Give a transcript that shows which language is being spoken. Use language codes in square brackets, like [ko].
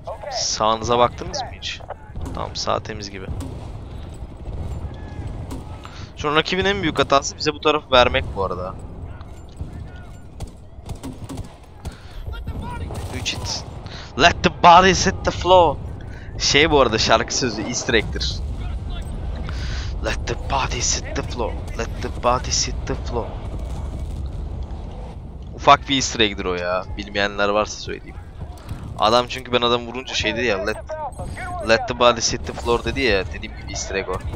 [tr] Sağınıza baktınız mı hiç? Tamam, sağ temiz gibi. Şu an rakibin en büyük hatası bize bu tarafı vermek bu arada. 3 hit. [en] Let the bodies hit the floor. [tr] Şey bu arada şarkı sözü easter egg'dir. [en] Let the body hit the floor. Let the body hit the floor. [tr] Ufak bir easter egg'dir o ya. Bilmeyenler varsa söyleyeyim. Adam çünkü ben adamı vurunca şey dedi ya. [en] Let the body hit the floor [tr] dedi ya. Dediğim gibi easter egg o.